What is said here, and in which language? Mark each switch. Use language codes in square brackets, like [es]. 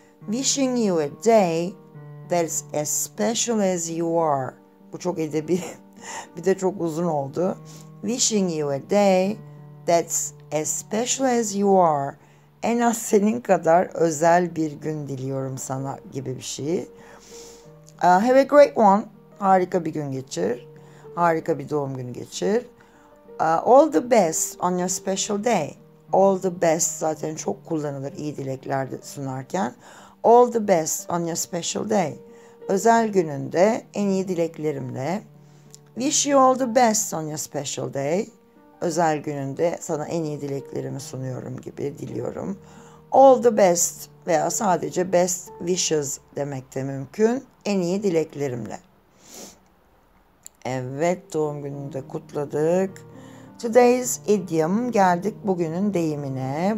[en] Wishing you a day that's as special as you are. [tr] Bu çok edebi. Bir de çok uzun oldu. [en] Wishing you a day that's as special as you are. [tr] En az senin kadar özel bir gün diliyorum sana gibi bir şey. [en] Have a great one. [tr] Harika bir gün geçir. Harika bir doğum günü geçir. [en] All the best on your special day. All the best [tr] zaten çok kullanılır iyi dilekler sunarken. [en] All the best on your special day. [tr] Özel gününde en iyi dileklerimle. [en] Wish you all the best on your special day. [tr] Özel gününde sana en iyi dileklerimi sunuyorum gibi diliyorum. All the best veya sadece best wishes demek de mümkün. En iyi dileklerimle. Evet, doğum gününü de kutladık. [en] Today's idiom, [tr] geldik bugünün deyimine.